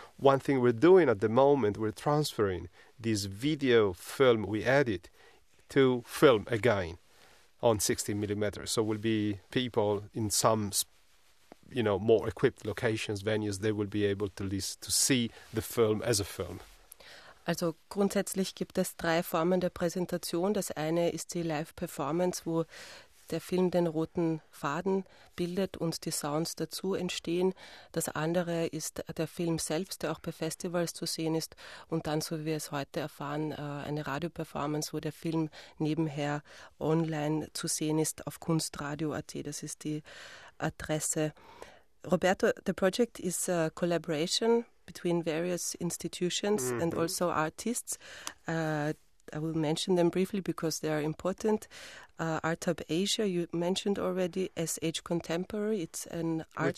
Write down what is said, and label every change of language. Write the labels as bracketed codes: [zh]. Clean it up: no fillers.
[en] One thing we're doing at the moment, we're transferring this video film we edit to film again on 16mm. So will be people in some more equipped locations, venues, they will be able to see the film as a film. [de] Also grundsätzlich gibt es 3 Formen der Präsentation. Das eine ist die Live-Performance, wo der Film den roten Faden bildet und die Sounds dazu entstehen. Das andere ist der Film selbst, der auch bei Festivals zu sehen ist. Und dann, so wie wir es heute erfahren, eine Radioperformance, wo der Film nebenher online zu sehen ist auf kunstradio.at. Das ist die Adresse. [en] Roberto, the project is a collaboration between various institutions mm-hmm. and also artists. I will mention them briefly because they are important. Art Hub Asia, you mentioned already, SH Contemporary, it's an art